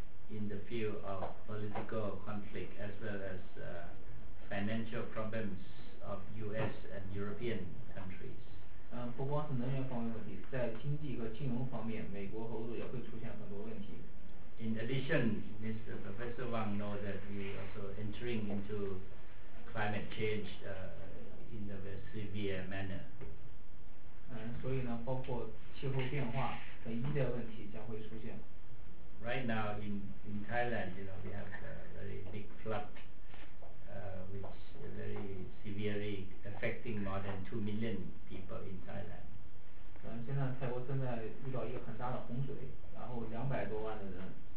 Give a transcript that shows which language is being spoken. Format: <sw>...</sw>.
<en>in the field of political conflict as well as financial problems of US and European countries.</en> <zh>不光是能源方面问题，在经济和金融方面，美国和欧洲也会出现很多问题。</zh> <en>In addition, Mr. Professor Wang knows that we are also entering into climate change in a very severe manner.</en> <zh>所以呢，包括气候变化和医疗问题将会出现。</zh> <en>Right now in Thailand, you know, we have a very big flood, which very severely affecting more than 2 million people in Thailand.</en> <zh>现在泰国正在遇到一个很大的洪水，然后200多万的人。</zh>